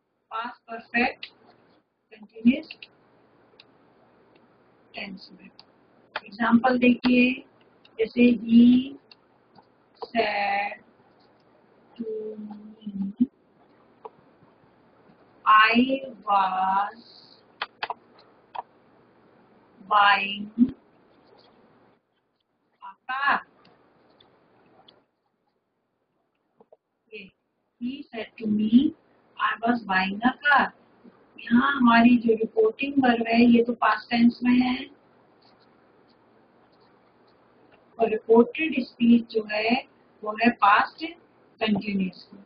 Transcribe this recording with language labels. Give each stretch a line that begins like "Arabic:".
Hindi: Past perfect continuous tense में example देखिए, जैसे he said to मी
English: I was buying a car. Okay. He said to me, I was buying a car.
Hindi: यहाँ हमारी जो reporting verb है ये तो past tense में है और reported speech जो है वो है past continuous.